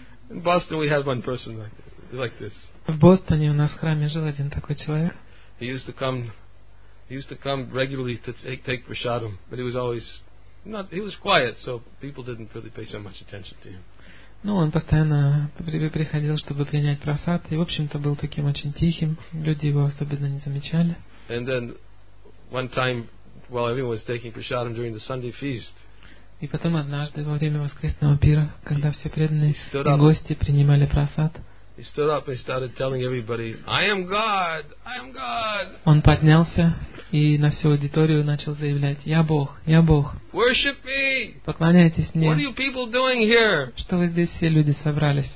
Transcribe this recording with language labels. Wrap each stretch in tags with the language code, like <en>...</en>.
<en>In Boston, we had one person like this.</en> <ru>В Бостоне у нас в храме жил один такой человек.</ru> <en>He used to come regularly to take prasadam, but he was always not. He was quiet, so people didn't really pay so much attention to him.</en> <ru>Ну, он постоянно приходил, чтобы принять просад, и в общем-то был таким очень тихим. Люди его особенно не замечали.</ru> <en>And then one time while everyone was taking prasadam during the Sunday feast.</en> <ru>И потом однажды во время воскресного пира, когда все преданные и гости принимали просад.</ru> <en>He stood up and started telling everybody, "I am God. I am God."</en> <ru>Он поднялся и на всю аудиторию начал заявлять: "Я Бог, я Бог.</ru> <en>Worship me.</en> <ru>Поклоняйтесь мне.</ru> <en>What are you people doing here?</en> <ru>Что вы здесь все люди собрались?</ru>